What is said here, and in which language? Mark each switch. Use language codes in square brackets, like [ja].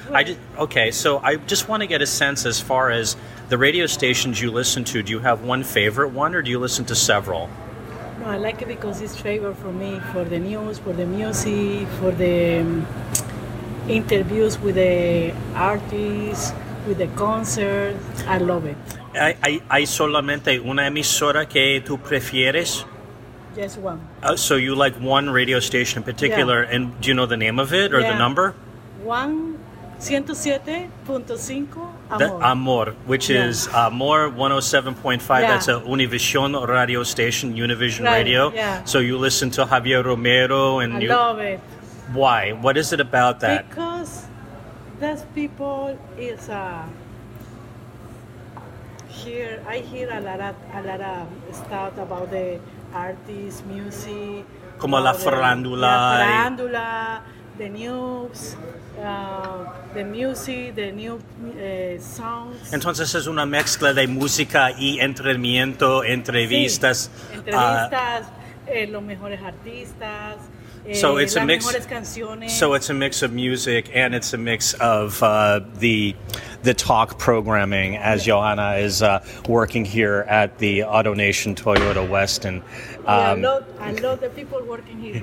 [en] I just want to get a sense as far as the radio stations you listen to. Do you have one favorite one, or do you listen to several? No, I like it because it's favorite for me, for the news, for the music, for the interviews with the artists, with the concert. I love it. [es] ¿Hay solamente una emisora que tú prefieres? [en] Yes, one. So you like one radio station in particular, yeah. And do you know the name of it or the number? 107.5 Amor. Amor, which is Amor 107.5. Yeah. That's a Univision radio station, Univision radio. Yeah. So you listen to Javier Romero and I love it. Why? What is it about that? Because those people is I hear a lot of stuff about the artists, music, [es] como la farándula, [en] the news, the music, the new songs. [es] Entonces es una mezcla de música y entretenimiento, entrevistas. Sí. Entrevistas, los mejores artistas. [en] So it's [es] las [en] a mix. [es] Mejores canciones. [en] So it's a mix of music and it's a mix of the talk programming as Johanna is working here at the AutoNation Toyota Weston. I love the people working here.